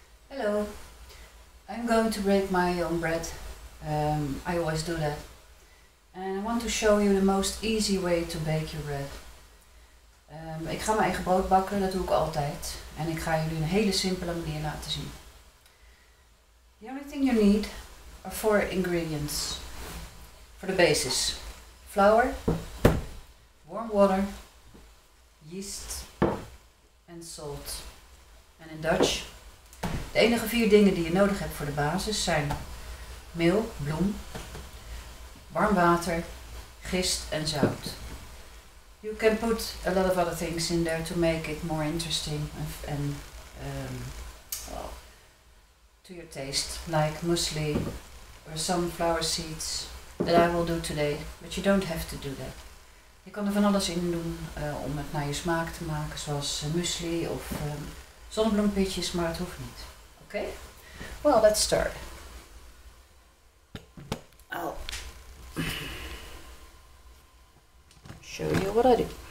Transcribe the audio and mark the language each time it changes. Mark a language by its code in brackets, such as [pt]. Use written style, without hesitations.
[en] Hello, I'm going to bake my own bread. I always do that. And I want to show you the most easy way to bake your bread. [nl] Ik ga mijn eigen brood bakken, dat doe ik altijd. En ik ga jullie een hele simpele manier laten zien. [en] The only thing you need are four ingredients for the basis. Flour, warm water, yeast and salt. En in Dutch... [nl] De enige vier dingen die je nodig hebt voor de basis zijn meel, bloem, warm water, gist en zout. [en] You can put a lot of other things in there to make it more interesting and to your taste, like muesli or sunflower seeds that I will do today, but you don't have to do that. [nl] Je kan er van alles in doen om het naar je smaak te maken, zoals muesli of zonnebloempitjes, maar het hoeft niet. [en] Okay, well, let's start. I'll show you what I do.